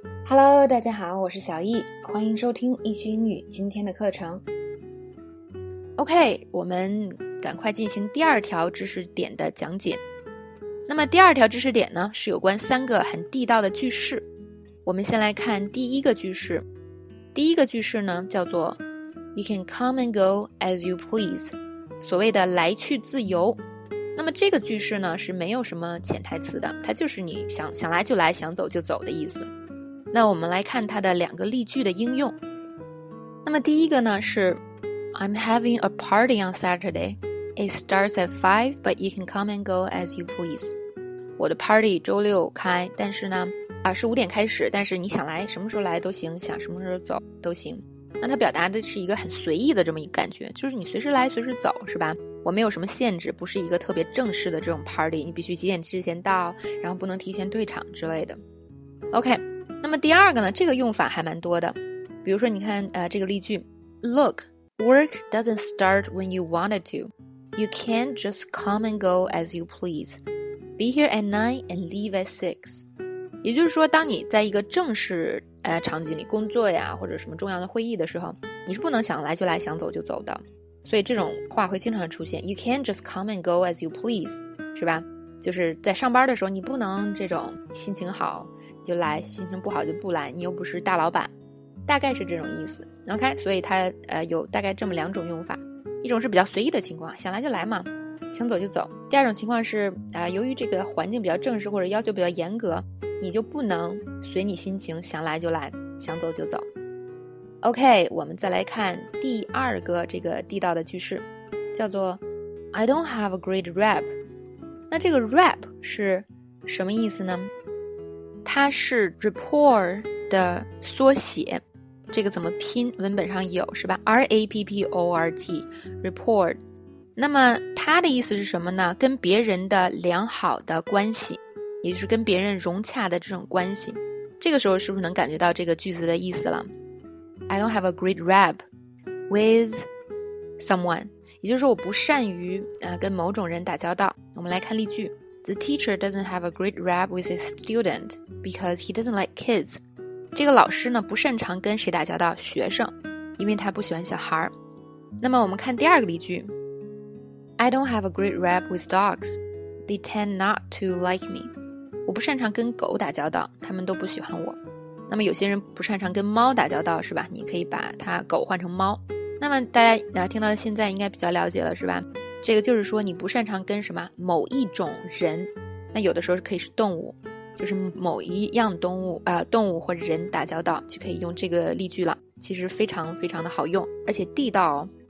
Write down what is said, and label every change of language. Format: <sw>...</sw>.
<zh>Hello， 大家好，我是小易，欢迎收听易趣英语今天的课程。 OK， 我们赶快进行第二条知识点的讲解。那么第二条知识点呢，是有关三个很地道的句式。我们先来看第一个句式。第一个句式呢，叫做</zh> <en>You can come and go as you please，</en> <zh>所谓的来去自由。那么这个句式呢，是没有什么潜台词的，它就是你想来就来，想走就走的意思。那我们来看它的两个例句的应用。那么第一个呢是</zh> <en>I'm having a party on Saturday. It starts at 5, but you can come and go as you please.</en> <zh>我的 party 周六开，但是呢是5点开始，但是你想来什么时候来都行，想什么时候走都行。那它表达的是一个很随意的这么一个感觉，就是你随时来随时走，是吧？我没有什么限制，不是一个特别正式的这种 party， 你必须几点之前到，然后不能提前退场之类的。 OK，那么第二个呢，这个用法还蛮多的。比如说你看这个例句</zh> <en>Look, work doesn't start when you wanted to. You can't just come and go as you please. Be here at 9 and leave at 6.</en> <zh>也就是说，当你在一个正式场景里工作呀，或者什么重要的会议的时候，你是不能想来就来，想走就走的。所以这种话会经常出现</zh> <en>You can't just come and go as you please，</en> <zh>是吧？就是在上班的时候，你不能这种心情好就来，心情不好就不来，你又不是大老板，大概是这种意思。 OK， 所以它有大概这么两种用法，一种是比较随意的情况，想来就来嘛，想走就走。第二种情况是由于这个环境比较正式或者要求比较严格，你就不能随你心情想来就来，想走就走。 OK， 我们再来看第二个这个地道的句式，叫做</zh> <en>I don't have a great rep。</en> <zh>那这个 rep 是什么意思呢？它是 rapport 的缩写，这个怎么拼？文本上有是吧 ？rapport， rapport。那么它的意思是什么呢？跟别人的良好的关系，也就是跟别人融洽的这种关系。这个时候是不是能感觉到这个句子的意思了 ？</zh> <en>I don't have a great rap with someone，</en> <zh>也就是说我不善于跟某种人打交道。我们来看例句。</zh> <en>The teacher doesn't have a great rap with his student because he doesn't like kids.</en> <zh>这个老师呢不擅长跟谁打交道，学生，因为他不喜欢小孩。那么我们看第二个例句。</zh> <en>I don't have a great rap with dogs. They tend not to like me.</en> <zh>我不擅长跟狗打交道，他们都不喜欢我。那么有些人不擅长跟猫打交道，是吧？你可以把他狗换成猫。那么大家听到现在应该比较了解了，是吧？这个就是说你不擅长跟什么某一种人，那有的时候可以是动物，就是某一样动物动物或人打交道，就可以用这个例句了，其实非常非常的好用，而且地道哦。</zh>